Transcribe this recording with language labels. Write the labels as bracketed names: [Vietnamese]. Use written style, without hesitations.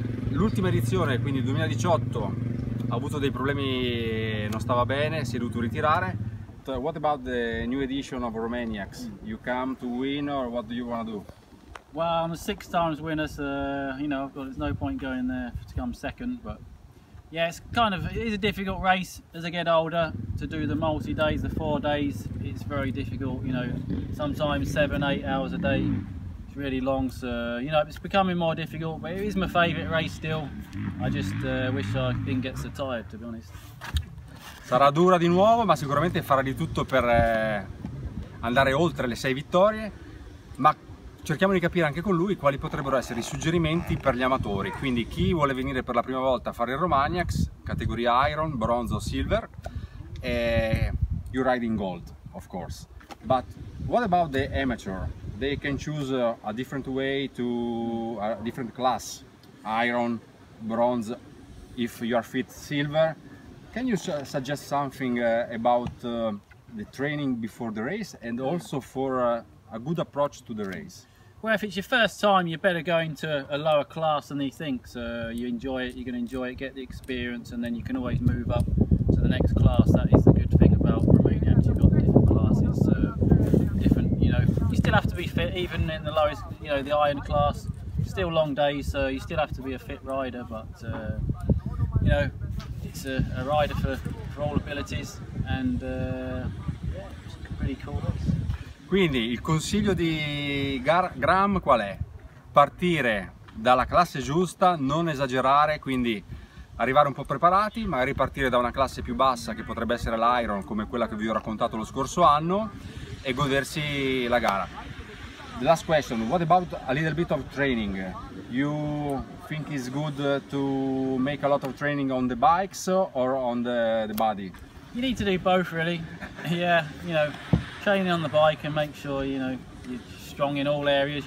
[Italian] L'ultima edizione, quindi 2018, ha avuto dei problemi, non stava bene, si è dovuto ritirare. [English] What about the new edition of Romaniacs? You come to win, or what do you want to do? Well, I'm a six times winner, so you know, there's no point going there to come second. But yeah, it is a difficult race as I get older to do the multi days, the 4 days. It's very difficult, you know, sometimes 7-8 hours a day. It's really long, so you know, it's becoming more difficult. But it is my favourite race still. I just wish I didn't get so tired, to be honest. [Italian] Sarà dura di nuovo, ma sicuramente farà di tutto per andare oltre le 6 vittorie. Ma cerchiamo di capire anche con lui quali potrebbero essere i suggerimenti per gli amatori. Quindi chi vuole venire per la prima volta a fare il Romaniacs, categoria Iron, Bronzo, Silver, [English] you're riding Gold, of course. But what about the amateur? They can choose a different way to a different class, Iron, Bronze, if you are fit, Silver. Can you suggest something about the training before the race and also for a good approach to the race? Well, if it's your first time, you're better going to a lower class than you think. So you enjoy it, you're going to enjoy it, get the experience, and then you can always move up to the next class. That is the good thing about Romania, you've got different classes, so different, you know, you still have to be fit, even in the lowest, you know, the iron class, still long days, so you still have to be a fit rider, but, you know, it's a rider for all abilities, and yeah, it's pretty cool. [Italian] Quindi il consiglio di Graham qual è? Partire dalla classe giusta, non esagerare, quindi arrivare un po' preparati, magari partire da una classe più bassa che potrebbe essere l'Iron, come quella che vi ho raccontato lo scorso anno, e godersi la gara. [English] The last question, what about a little bit of training? You think it's good to make a lot of training on the bikes or on the body? You need to do both really. Yeah, you know, training on the bike and make sure, you know, you're strong in all areas.